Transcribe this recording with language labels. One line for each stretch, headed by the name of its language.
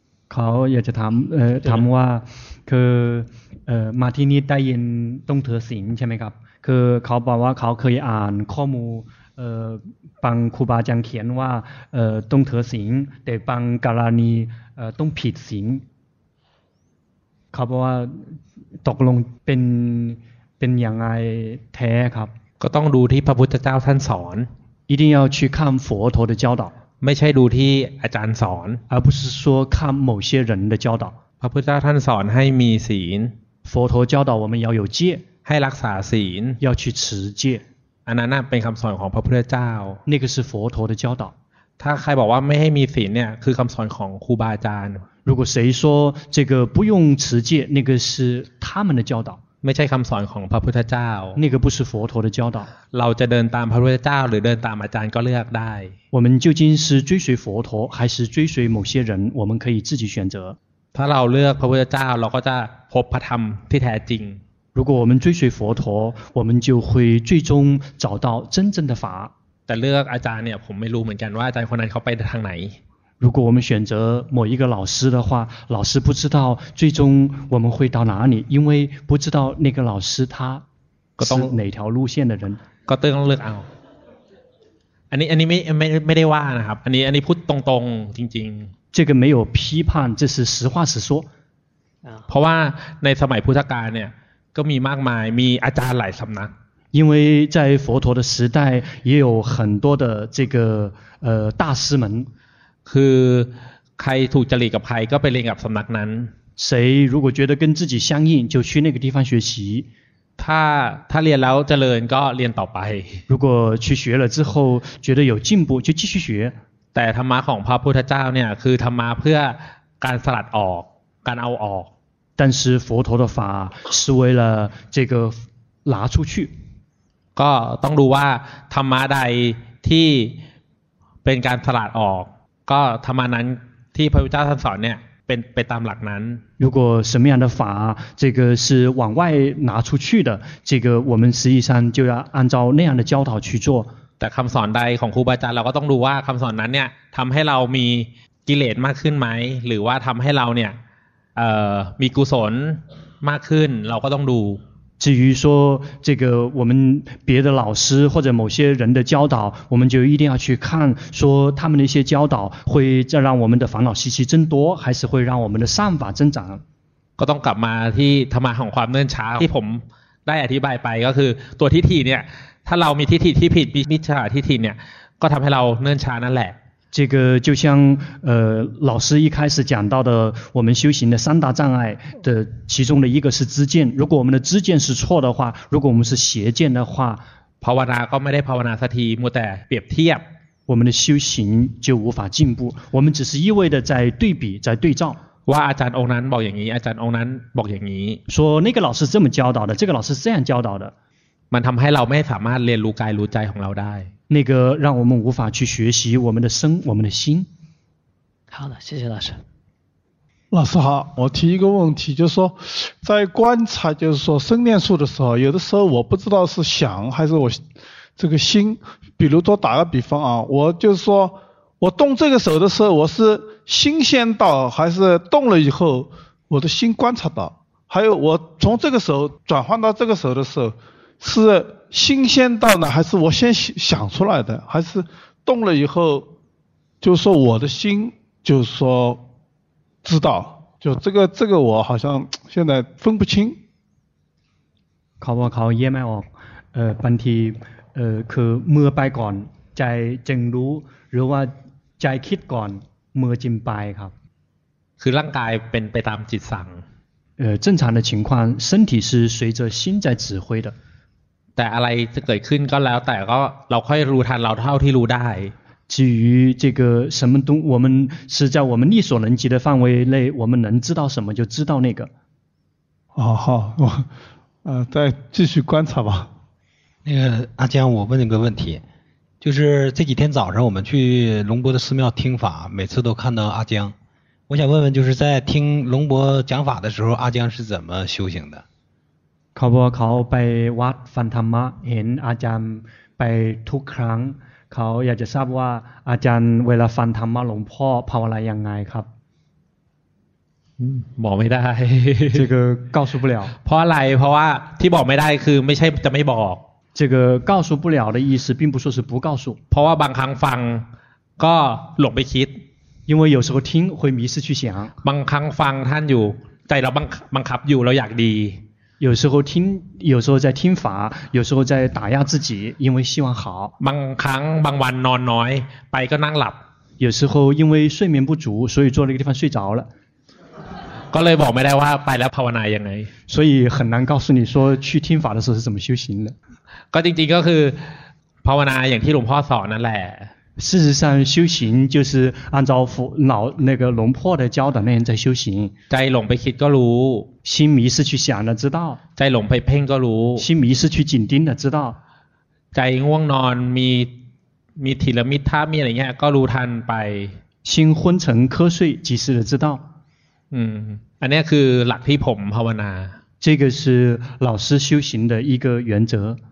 Thai: เขาอยากจะถามถามว่าคือมาที่นี่ได้ยินต้องถือศีลใช่ไหมครับคือเขาบอกว่าเขาเคยอ่านข้อมูลบางครูบาอาจารย์เขียนว่าต้องถือศีลแต่บางกรณีต้องผิดศีลเขาบอกว่าตกลงเป็นยังไงแท้ครับ ก็ต้องดูที่พระพุทธเจ้าท่านสอน
Chinese: 一定要去看佛陀的教导
Thai: ไม่ใช่ดูที่อาจารย์สอน
Chinese: 而不是说看某些人的教导
Thai: พระพุทธเจ้าท่านสอนให้มีศีล
Chinese: 佛陀教导我们要有戒
Thai: ให้รักษาศีล
Chinese: 要去持戒
Thai: อันนั้นเป็นคำสอนของพระพุทธเจ้า
Chinese: 那个是佛陀的教导
Thai: ถ้าใครบอกว่าไม่ให้มีศีลเนี่ยคือคำสอนของครูบาอาจารย์
Chinese: 如果谁说这个不用持戒那个是他们的教导
Thai: ไม่ใช่คำสอนของพระพุทธเจ้า
Chinese: 那个不是佛陀的教导
Thai: เราจะเดินตามพระพุทธเจ้าหรือเดินตามอาจารย์ก็เลือกได้
Chinese: 我们究竟是追随佛陀还是追随某些人我们可以自己选择
Thai: ถ้าเราเลือกพระพุทธเจ้าเราก็จะพบพระธรรมที่แท้จริง
Chinese: 如果我们追随佛陀我们就会最终找到真正的法
Thai: แต่เลือกอาจารย์เนี่ยผมไม่รู้เหมือนกันว่าอาจารย์คนนั้นเขาไปทางไหน
Chinese: 如果我们选择某一个老师的话老师不知道最终我们会到哪里因为不知道那个老师他是哪条路线的人
Thai: ก็ต้องเลือกเอาอันนี้ไม่ได้ว่านะครับอันนี้พูดตรงๆจริง
Chinese: ๆ这个没有批判这是实话实说
Thai: เพราะว่าในสมัยพุทธกาลเนี่ยก็มีมากมายมีอาจารย์หลายสำนัก
Chinese: 因为在佛陀的时代也有很多的这个大师们
Thai: คือใครถูกจริตกับใครก็ไปเรียนกับสำนักนั้น
Chinese: 谁如果觉得跟自己相应就去那个地方学习
Thai: ถ้าเรียนแล้วเจริญก็เรียนต่อไป
Chinese: 如果去学了之后觉得有进步就继续学
Thai: แต่ธรรมะของพระพุทธเจ้าเนี่ยคือธรรมะเพื่อการสลัดออกการเอาออก
Chinese: 但是佛陀的法是为了这个拿出去
Thai: ก็ต้องดูว่าธรรมะใดที่เป็นการสลัดออกก็ธรรมะนั้นที่พระพุทธเจ้าท่านสอนเนี่ยเป็นไปตามหลักนั้น
Chinese: 如果什么样的法这个是往外拿出去的这个我们实际上就要按照那样的教导去做
Thai: แต่คำสอนใดของครูบาอาจารย์เราก็ต้องดูว่าคำสอนนั้นเนี่ยทำให้เรามีกิเลสมากขึ้นไหมหรือว่าทำให้เราเนี่ย มีกุศลมากขึ้นเราก็ต้องดู
Chinese: 至于说这个我们别的老师或者某些人的教导，我们就一定要去看，说他们的一些教导会再让我们的烦恼习气增多，还是会让我们的善法增长。
Thai: ก็ต้องกลับมาที่ธรรมะของความเนื่องช้าที่ผมได้อธิบายไปก็คือตัวทิฏฐิเนี่ยถ้าเรามีทิฏฐิที่ผิดมิจฉาทิฏฐิเนี่ยก็ทำให้เราเนื่องช้านั่นแหละ
Chinese: 这个就像老师一开始讲到的我们修行的三大障碍的其中的一个是知见如果我们的知见是错的话如果我们是邪见的话
Thai: ภาวนาก็ไม่ได้ภาวนาสักทีมัวแต่เปรียบเทียบ
Chinese: 我们的修行就无法进步我们只是一味的在对比在对照
Thai: ว่าอาจารย์องค์นั้นบอกอย่างนี้อาจารย์องค์นั้นบอกอย่างนี้
Chinese: 说那个老师这么教导的这个老师这样教导的
Thai: มันทำให้เราไม่สามารถเรียนรู้กายรู้ใจของเราได้
Chinese: 那个让我们无法去学习我们的身我们的心好的谢谢老师老师好我提一个问题就是说在观察就是说生念处的时候有的时候我不知道是想还是我这个心比如说打个比方啊我就是说我动这个手的时候我是心先到还是动了以后我的心观察到还有我从这个手转换到这个手的时候是新鲜到呢还是我先想出来的还是动了以后就是说我的心就是说知道就这个我好像现在分不清考不考验吗
Thai: บางทีคือเมื่อไปก่อนใจจึงรู้หรือว่าใจคิดก่อนเมื่อจิ้มไปครับ คือร่างกายเป็นไปตามจิตสั่ง
Chinese: 正常的情况身体是随着心在指挥的
Thai: แต่อะไรจะเกิดขึ้นก็แล้วแต่ก็เราค่อยรู้ทันเราเท่าที่รู้ได้
Chinese: 至于这个什么东我们是在我们力所能及的范围内我们能知道什么就知道那个哦好我再继续观察吧那个阿江我问你个问题就是这几天早上我们去龙伯的寺庙听法每次都看到阿江我想问问就是在听龙伯讲法的时候阿江是怎么修行的
Thai: เขาบอกเขาไปวัดฟังธรรมะเห็นอาจารย์ไปทุกครั้งเขาอยากจะทราบว่าอาจารย์เวลาฟังธรรมะหลวงพ่อภาวนายังไงครับ บอกไม่ได้
Chinese: 这个告诉不了
Thai: เพราะอะไรเพราะว่าที่บอกไม่ได้คือไม่ใช่จะไม่บอก
Chinese: 这个告诉不了的意思并不说是不告诉
Thai: เพราะว่าบางครั้งฟังก็หลงไปคิด
Chinese: 因为有时候听会迷失去想
Thai: บางครั้งฟังท่านอยู่ใจเราบังคับอยู่เราอยากดี
Chinese: 有时候听有时候在听法有时候在打压自己因为希望好
Thai: บางครั้งบางวันนอนน้อยไปก็นั่งหลับ
Chinese: 有时候因为睡眠不足所以坐那个地方睡着了
Thai: ก็เลยบอกไม่ได้ว่าไปแล้วภาวนายังไง
Chinese: 所以很难告诉你说去听法的时候是怎么修行的
Thai: ก็จริงๆก็คือภาวนาอย่างที่หลวงพ่อสอนนั่นแหละ
Chinese: 事实上修行就是按照那个龙破的教导那样在修行
Thai: ใจหลงไปคิดก็รู้
Chinese: 心迷失去想了知道
Thai: ใจหลงไปเพ่งก็รู้
Chinese: 心迷失去紧盯了知道
Thai: ใจง่วงนอนมีทีละมิตรถ้ามีอะไรเงี้ยก็รู้ทันไป
Chinese: 心昏沉瞌睡及时的知道
Thai: อันนี้คือหลักที่ผมภาวนา
Chinese: 这个是老师修行的一个原则